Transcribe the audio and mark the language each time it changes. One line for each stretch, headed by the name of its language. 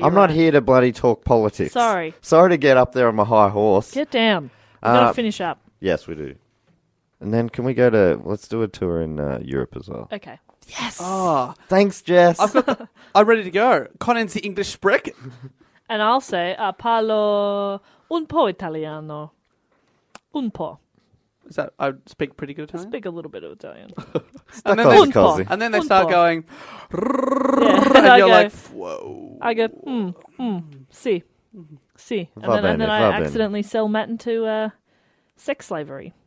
English: I'm not here to bloody talk politics. Sorry. Sorry to get up there on my high horse. Get down. We've got to finish up. Yes, we do. And then can we go to... Let's do a tour in Europe as well. Okay. Yes! Oh, thanks, Jess. I'm ready to go. Conan's the English Brick. And I'll say,
Italian: parlo un po' italiano. Un po'.
English: Is that, I speak pretty good Italian? I speak a little bit of Italian. And then they start going, yeah. And you're like, whoa. I go, si, si. And then I accidentally sell Matt into sex slavery.